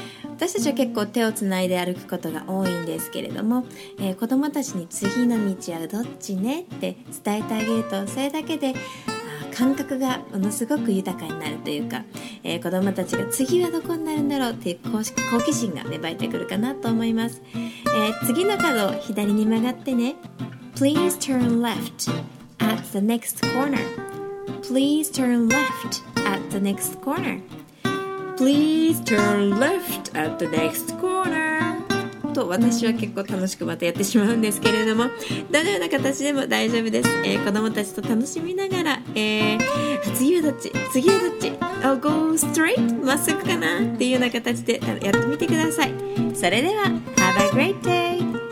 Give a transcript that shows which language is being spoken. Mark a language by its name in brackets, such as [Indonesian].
[Japanese] 私たちは結構手をつないで歩くことが多いんですけれども、子供たちに次の道はどっちねって伝えてあげると、それだけで感覚がものすごく豊かになるというか、子供たちが次はどこになるんだろうっていう好奇心が芽生えてくるかなと思います。次の角を左に曲がってね。 [English] Please turn left at the next corner. Please turn left at the next corner. Please turn left at the next corner. [Japanese] と私は結構楽しくまたやってしまうんですけれども、どのような形でも大丈夫です。子供たちと楽しみながら、次はどっち、 [English] I'll go straight、 [Japanese] まっすぐかなっていうような形でやってみてください。それでは [English] Have a great day!